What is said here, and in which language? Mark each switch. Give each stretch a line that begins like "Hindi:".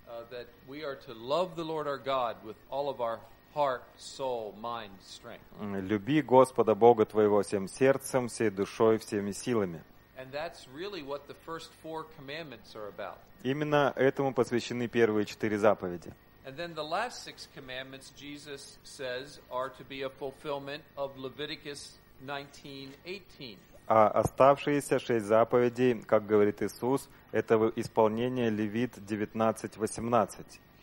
English: That we are to love the Lord our God with all of our heart, soul, mind, strength.
Russian: Люби Господа Бога твоего всем сердцем, всей душой, всеми силами.
English: And that's really what the first four commandments are about.
Russian: Именно этому посвящены первые 4 заповеди.
English: And then the last 6 commandments, Jesus says, are to be a fulfillment of Leviticus 19:18.
Russian: А оставшиеся 6 заповедей, как говорит Иисус, это исполнение Левит 19:18.